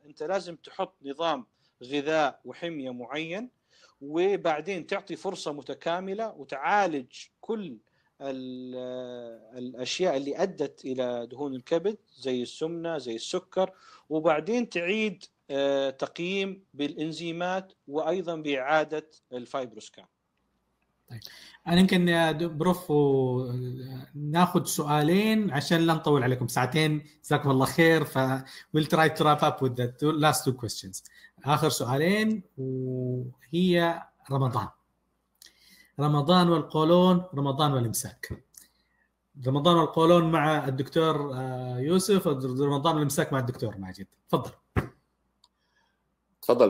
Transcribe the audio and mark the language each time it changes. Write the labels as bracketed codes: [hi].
[ar] أنت لازم تحط نظام غذاء وحمية معين، وبعدين تعطي فرصة متكاملة وتعالج كل الأشياء اللي أدت إلى دهون الكبد زي السمنة زي السكر، وبعدين تعيد تقييم بالإنزيمات وأيضا بإعادة الفايبروسكان. طيب أنا يمكن بروف ناخد سؤالين عشان لا نطول عليكم ساعتين، جزاكم الله خير. [en] ف we'll try to wrap up with the last two questions. [ar] آخر سؤالين، وهي رمضان والقولون، رمضان والإمساك. رمضان والقولون مع الدكتور يوسف، رمضان والإمساك مع الدكتور ماجد. تفضل